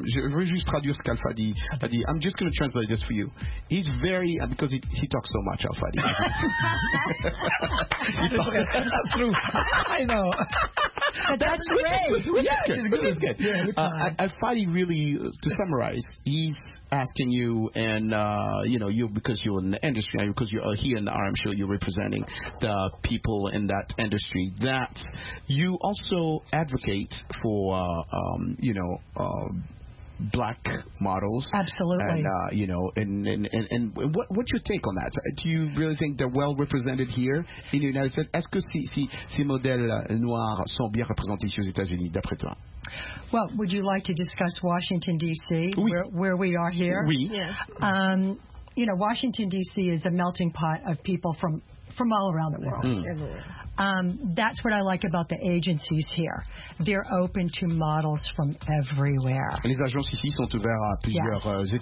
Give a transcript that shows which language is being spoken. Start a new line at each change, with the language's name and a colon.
French: Je veux juste traduire ce qu'Alpha Di a dit.
English: I'm just going to translate this for you. He's very, because he talks so much, Alpha Di. That's true. I know. That's great. Yeah, Alpha Di really, to summarize, he's asking you, and you know, you, because you're in the industry, because you're here in the RM show, you're representing the people in that industry, that you also advocate for, you know, black models. Absolutely. And, you know, and what's your take on that? Do you really think they're well represented here in the United States?
French: Est-ce que ces modèles noirs sont bien représentés aux États-Unis, d'après toi?
English: Well, would you like to discuss Washington, D.C., where we are here?
French: Oui.
English: Yes. You know, Washington, D.C. is a melting pot of people from all around the world. That's what I like about the agencies here. They're open to models from everywhere.
French: Les agences ici sont ouvertes à plusieurs ethnies.